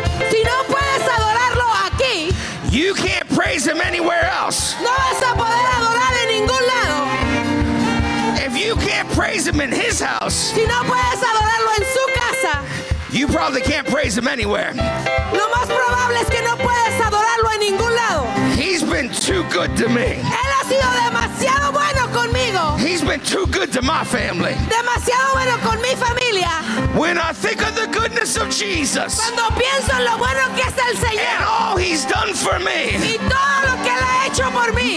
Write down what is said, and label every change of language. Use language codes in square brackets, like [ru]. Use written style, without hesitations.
[es] si no puedes adorarlo aquí, [en] you can't praise him anywhere else. [es] No vas a poder adorar en ningún lado. [en] If you can't praise him in his house, [es] si no puedes adorarlo en su casa, [en] you probably can't praise him anywhere. [es] Lo más probable es que no puedes adorarlo en ningún lado. [en] He's been too good to me. [es] Él ha sido demasiado bueno conmigo. [en] He's been too good to my family. [es] Demasiado bueno con mi familia. [en] When I think of the goodness of Jesus, [es] cuando pienso en lo bueno que es el Señor, [en] and all he's done for me, [es] y todo lo que él ha hecho por mí,